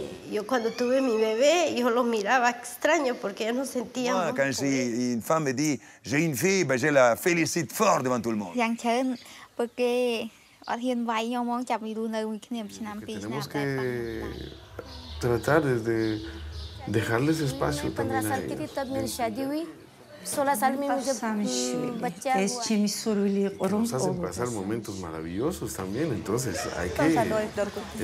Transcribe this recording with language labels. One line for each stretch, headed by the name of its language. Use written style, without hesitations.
Spanish: Yo cuando tuve mi bebé, yo lo miraba extraño porque yo no sentía.
French: Moi, quand j'ai une femme me dit j'ai une fille, ben je la félicite fort devant tout le monde.
Spanish: Yangchen, porque tenemos que tratar de dejarles espacio también a ellos. Nos hacen pasar momentos maravillosos también, entonces hay que...